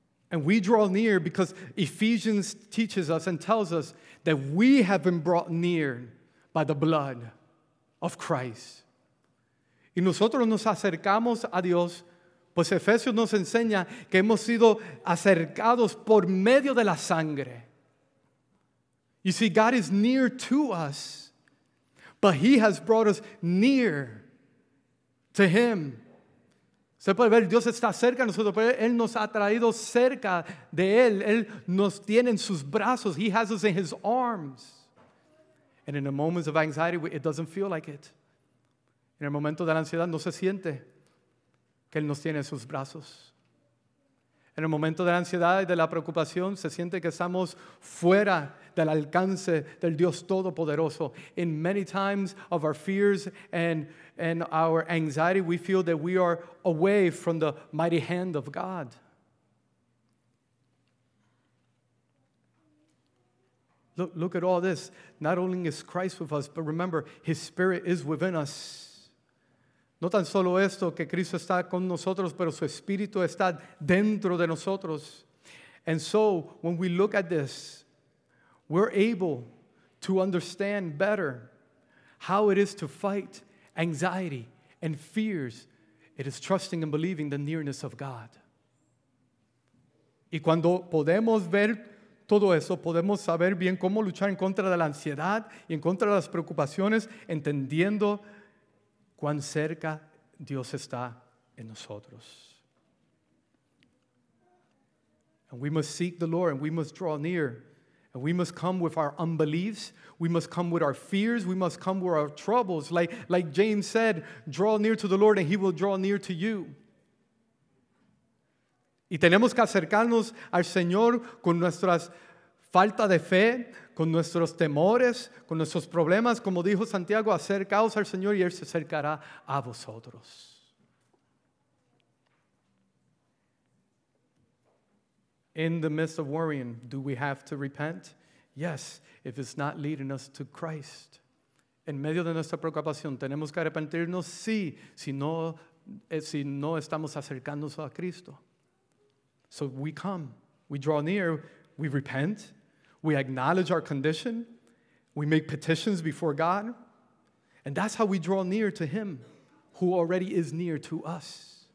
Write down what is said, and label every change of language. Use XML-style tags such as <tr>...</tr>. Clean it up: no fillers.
<en>And we draw near because Ephesians teaches us and tells us that we have been brought near by the blood of Christ.</en> <es>Y nosotros nos acercamos a Dios, pues Efesios nos enseña que hemos sido acercados por medio de la sangre.</es> <en>You see, God is near to us, but he has brought us near to him.</en> <es>Se puede ver, Dios está cerca de nosotros, pero él nos ha traído cerca de él. Él nos tiene en sus brazos.</es> <en>He has us in his arms. And in the moments of anxiety, it doesn't feel like it.</en> <es>En el momento de la ansiedad, no se siente que él nos tiene en sus brazos. En el momento de la ansiedad y de la preocupación, se siente que estamos fuera del alcance del Dios Todopoderoso.</es> <en>In many times of our fears and our anxiety, we feel that we are away from the mighty hand of God. Look at all this. Not only is Christ with us, but remember, his Spirit is within us.</en> <es>No tan solo esto, que Cristo está con nosotros, pero su Espíritu está dentro de nosotros.</es> <en>And so, when we look at this, we're able to understand better how it is to fight anxiety and fears. It is trusting and believing the nearness of God.</en> <es>Y cuando podemos ver todo eso, podemos saber bien cómo luchar en contra de la ansiedad y en contra de las preocupaciones, entendiendo cuán cerca Dios está en nosotros.</es> <en>And we must seek the Lord, and we must draw near. And we must come with our unbeliefs. We must come with our fears. We must come with our troubles. Like James said, draw near to the Lord, and he will draw near to you.</en> <es>Y tenemos que acercarnos al Señor con nuestras falta de fe, con nuestros temores, con nuestros problemas. Como dijo Santiago, acercaos al Señor y Él se acercará a vosotros.</es> <en>In the midst of worrying, do we have to repent? Yes, if it's not leading us to Christ.</en> <es>En medio de nuestra preocupación, ¿tenemos que arrepentirnos? Sí, si no estamos acercándonos a Cristo.</es> <en>So we come, we draw near, we repent, we acknowledge our condition, we make petitions before God, and that's how we draw near to him who already is near to us.</en>